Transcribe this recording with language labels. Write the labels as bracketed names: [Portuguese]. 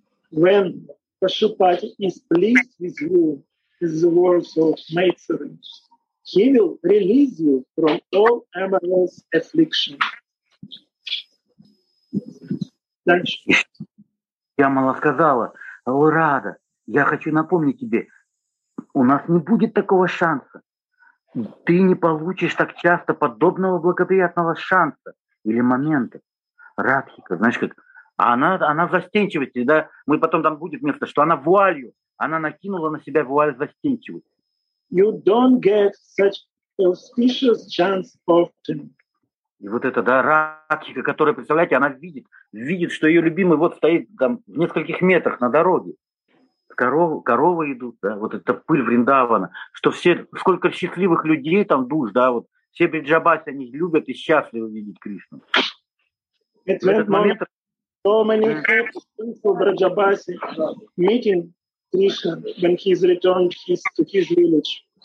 [English] When Pashupati is pleased with you, the words of maidservants, he will release you from all amorous affliction. [Russian] Я мало сказала: Лурада, я хочу напомнить тебе, у нас не будет такого шанса. Ты не получишь так часто подобного благоприятного шанса или момента. Радхика, знаешь, как она в застенчивости, да, мы потом там будет место, что она вуалью, она накинула на себя вуаль застенчивости. [English] You don't get such auspicious chance often. [Russian] И вот эта, да, Радхика, которая, представляете, она видит, что ее любимый вот стоит там в нескольких метрах на дороге. Коровы идут, да, вот эта пыль Вриндавана, что все, сколько счастливых людей там душ, да, вот все Бриджабаси, они любят и счастливы видеть Кришну. [English] It's that moment, so many people Бриджабаси meeting Krishna when he's returned to his village.